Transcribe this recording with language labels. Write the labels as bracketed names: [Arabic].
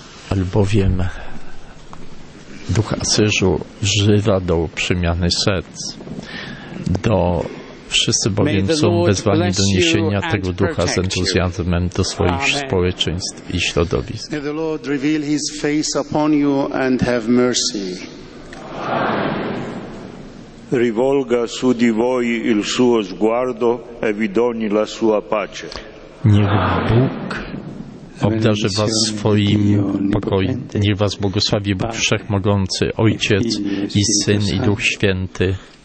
[Polish] Albowiem duch Asyżu wzywa do przemiany serc. Wszyscy bowiem są wezwani do niesienia tego ducha z entuzjazmem do swoich społeczeństw i środowisk. [English] May the Lord reveal his face upon you and have mercy. [Italian] Rivolga su di voi il suo sguardo e vi doni la sua pace. [Polish] Niech Bóg obdarzy was swoim pokojem. Niech was błogosławi Bóg Wszechmogący, Ojciec i Syn i Duch Święty.